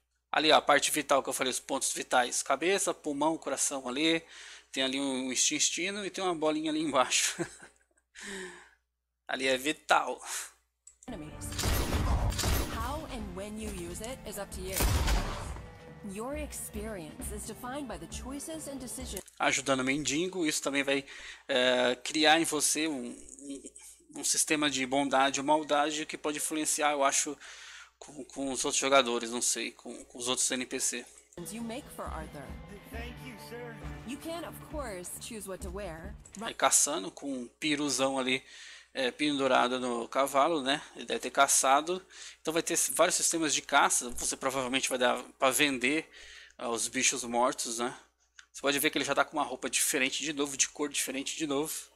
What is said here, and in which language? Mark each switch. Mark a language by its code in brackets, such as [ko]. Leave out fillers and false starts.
[pt] Ali, ó, a parte vital que eu falei, os pontos vitais. Cabeça, pulmão, coração ali. Tem ali um intestino e tem uma bolinha ali embaixo. Ali é vital. [en] How and when you use it is up to you. Your experience is defined by the choices and decisions. [pt] Ajudando o mendigo, isso também vai criar em você um sistema de bondade ou maldade que pode influenciar, eu acho, com os outros jogadores, não sei, com os outros NPC. [en] You make for Arthur. Thank you, sir. You can, of course, choose what to wear. [pt] Aí, caçando com um piruzão ali pendurado no cavalo, né? Ele deve ter caçado. Então vai ter vários sistemas de caça. Você provavelmente vai dar para vender os bichos mortos, né? Você pode ver que ele já tá com uma roupa diferente de novo, de cor diferente de novo.